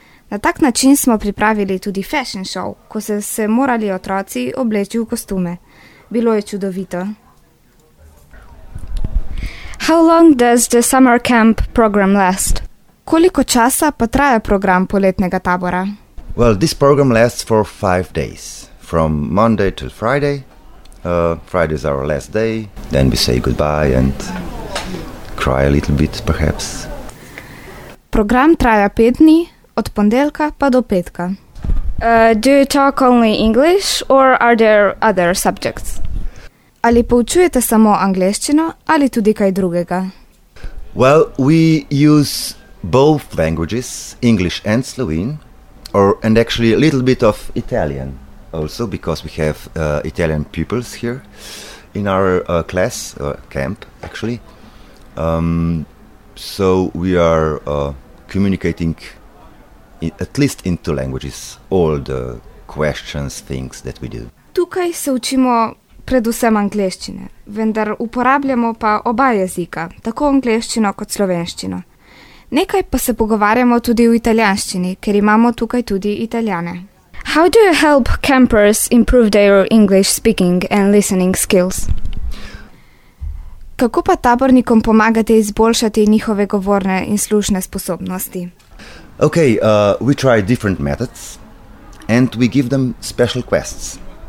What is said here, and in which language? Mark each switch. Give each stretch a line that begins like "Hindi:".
Slovenian: Na tak način smo pripravili tudi fashion show, ko so se morali otroci obleči v kostume. Bilo je čudovito.
English: How long does the summer camp program last?
Slovenian: Koliko časa pa traja program poletnega tabora?
English: Well, this program lasts for 5 days, from Monday to Friday. Friday is our last day, then we say goodbye and cry a little bit, perhaps.
Slovenian: Program traja 5 dni, od ponedeljka pa do petka.
English: Do you talk only English or are there other subjects?
Slovenian: Ali poučujete samo angleščino ali tudi kaj drugega?
English: Well, we use both languages, English and Slovene, and actually a little bit of Italian also, because we have Italian pupils here in our class, camp actually. So we are communicating at least in 2 languages all the questions, things that we do.
Slovenian: Tukaj se učimo predvsem angleščine, vendar uporabljamo pa oba jezika, tako angleščino kot slovenščino. Nekaj pa se pogovarjamo tudi v italijanščini, ker imamo tukaj tudi Italijane.
English: How do you help campers improve their English speaking and listening skills?
Slovenian: Kako pa tabornikom pomagate izboljšati njihove govorne in slušne sposobnosti?
English: Okay, we try different methods and we give them special quests.